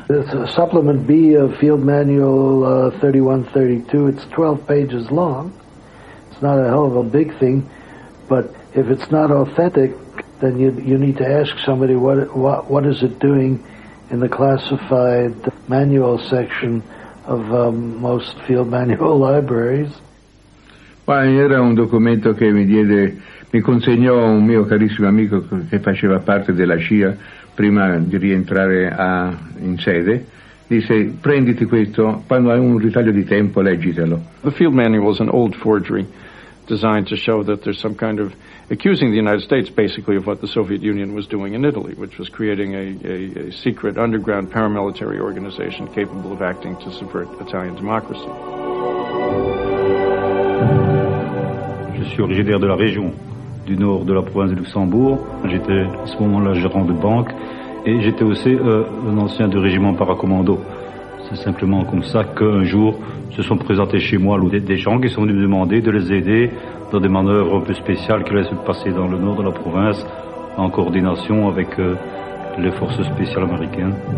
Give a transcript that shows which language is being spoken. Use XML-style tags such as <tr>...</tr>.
<en>This Supplement B of Field Manual 3132, it's 12 pages long. It's not a hell of a big thing, but if it's not authentic, then you need to ask somebody what is it doing in the classified manual section of most field manual libraries.</en> <it>Ma era un documento che mi consegnò un mio carissimo amico che faceva parte della CIA prima di rientrare in sede. Disse, prenditi questo, quando hai un ritaglio di tempo, leggitelo.</it> <en>The field manual is an old forgery designed to show that there's some kind of accusing the United States basically of what the Soviet Union was doing in Italy, which was creating a secret underground paramilitary organization capable of acting to subvert Italian democracy.</en> <fr>Je suis originaire de la région du nord de la province de Luxembourg. J'étais à ce moment-là gérant de banque et j'étais aussi un ancien du régiment paracommando. C'est simplement comme ça qu'un jour se sont présentés chez moi des gens qui sont venus me demander de les aider dans des manœuvres un peu spéciales qui allaient se passer dans le nord de la province en coordination avec les forces spéciales américaines.</fr>